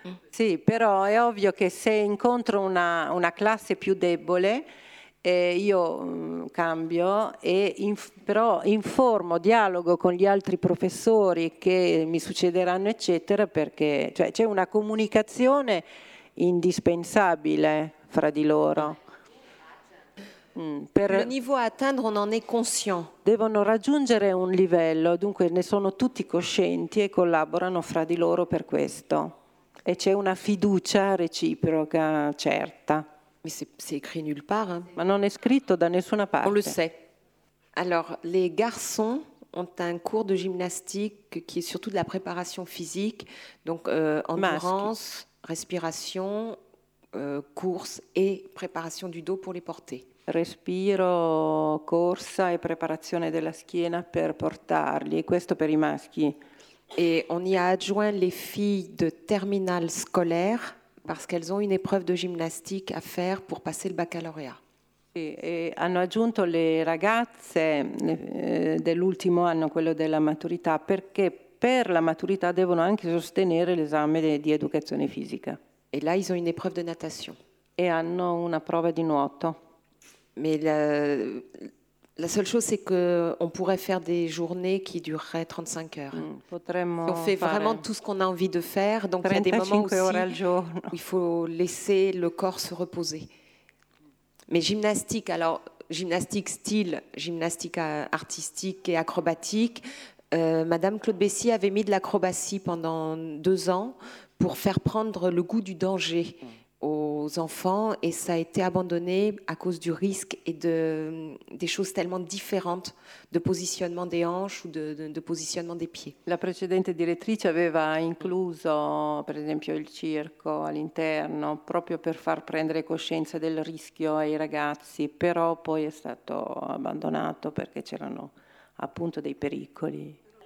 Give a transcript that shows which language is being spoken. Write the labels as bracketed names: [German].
[Italian] Sì, però è ovvio che se incontro una classe più debole, io cambio, però informo, dialogo con gli altri professori che mi succederanno, eccetera, perché cioè, c'è una comunicazione indispensabile fra di loro. [French] Per le niveau à atteindre, on en est conscient. [Italian] Devono raggiungere un livello, dunque ne sono tutti coscienti e collaborano fra di loro per questo. E c'è una fiducia reciproca certa. [French] Mais c'est écrit nulle part, hein. [Italian] Ma non è scritto da nessuna parte. [French] On le sait. Alors, les garçons ont un cours de gymnastique qui est surtout de la préparation physique, donc endurance, respiration, course et préparation du dos pour les porter. [Italian] Respiro, corsa e preparazione della schiena per portarli, e questo per i maschi. [French] E on y a adjoint les filles de terminale scolaire parce qu'elles ont une épreuve de gymnastique à faire pour passer le baccalauréat. [Italian] E hanno aggiunto le ragazze dell'ultimo anno, quello della maturità, perché per la maturità devono anche sostenere l'esame di educazione fisica. [French] Et là ils ont une épreuve de natation. [Italian] E hanno una prova di nuoto. [French] Mais la seule chose, c'est qu'on pourrait faire des journées qui dureraient 35 heures. [Italian] Potremmo [French] on fait vraiment tout ce qu'on a envie de faire. Donc il y a des moments aussi où il faut laisser le corps se reposer. Mais gymnastique, alors gymnastique style, gymnastique artistique et acrobatique, Madame Claude Bessy avait mis de l'acrobatie pendant 2 ans pour faire prendre le goût du danger aux enfants, et ça a été abandonné à cause du risque et des choses tellement différentes de positionnement des hanches ou de positionnement des pieds. La précédente directrice [Italian] aveva incluso, per esempio, il circo all'interno, proprio per far prendere coscienza del rischio ai ragazzi, però poi è stato abbandonato perché c'erano appunto dei pericoli.